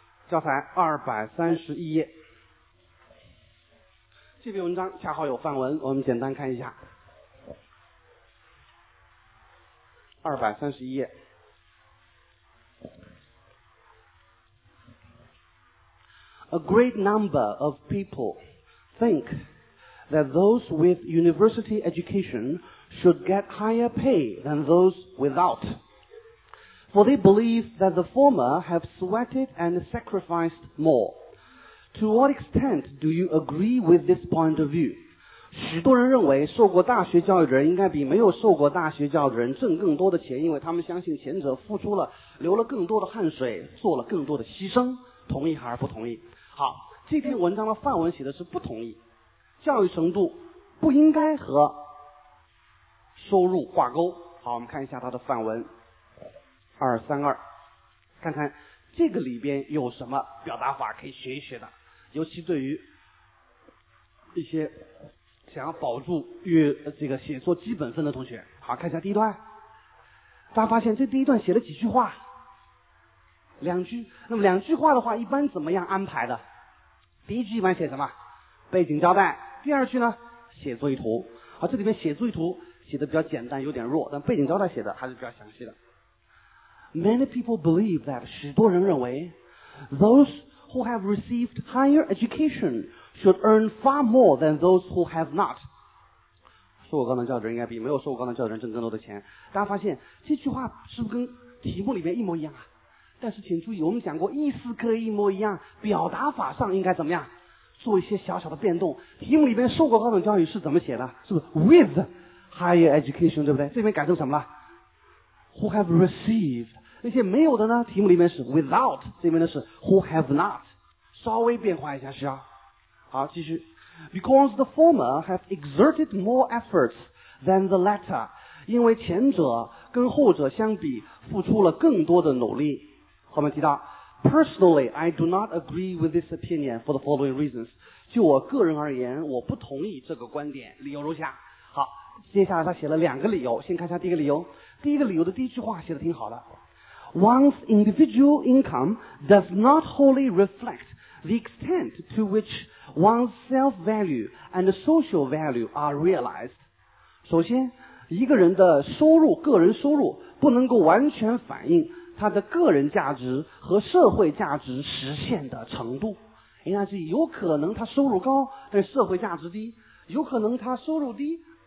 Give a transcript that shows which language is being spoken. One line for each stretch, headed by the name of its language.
Chinese: 教材231页，这篇文章恰好有范文，我们简单看一下。
English: 231页，A great number of people think that those with university education should get higher pay than those without. For they believe that the former have sweated and sacrificed more. To what extent do you agree with this point of view?
Chinese: 许多人认为受过大学教育的人应该比没有受过大学教育的人挣更多的钱，因为他们相信前者付出了，流了更多的汗水，做了更多的牺牲。同意还是不同意？好，这篇文章的范文写的是不同意。教育程度不应该和收入挂钩。好，我们看一下它的范文。232，看看这个里边有什么表达法可以学一学的，尤其对于一些想要保住这个写作基本分的同学。好，看一下第一段，大家发现这第一段写了几句话，两句。那么两句话的话一般怎么样安排的？第一句一般写什么？背景交代。第二句呢？写作意图。好，这里面写作意图写的比较简单，有点弱，但背景交代写的还是比较详细的。
English: Many people believe that,
Chinese: 许多人认为
English: those who have received higher education should earn far more than those who have not.
Chinese: 受过高等教育的人应该比没有受过高等教育的人挣更多的钱。大家发现这句话是不是跟题目里面一模一样啊？但是请注意，我们讲过意思可以一模一样，表达法上应该怎么样做一些小小的变动。题目里面受过高等教育是怎么写的？是不是
English: with higher education,
Chinese: 对不对？这边改成什么了？
English: Who have received,
Chinese: 那些没有的呢？题目里面是 without, 这边的是
English: who have not,
Chinese: 稍微变化一下是啊。好，继续。
English: Because the former have exerted more efforts than the latter,
Chinese: 因为前者跟后者相比付出了更多的努力。后面提到
English: Personally, I do not agree with this opinion for the following reasons.
Chinese: 就我个人而言，我不同意这个观点，理由如下。好，接下来他写了两个理由，先看一下第一个理由。第一个理由的第一句话写得挺好的。
English: One's individual income does not wholly reflect the extent to which one's self-value and social value are realized.
Chinese: 首先，一个人的收入，个人收入，不能够完全反映他的个人价值和社会价值实现的程度。应该是有可能他收入高，但社会价值低，有可能他收入低。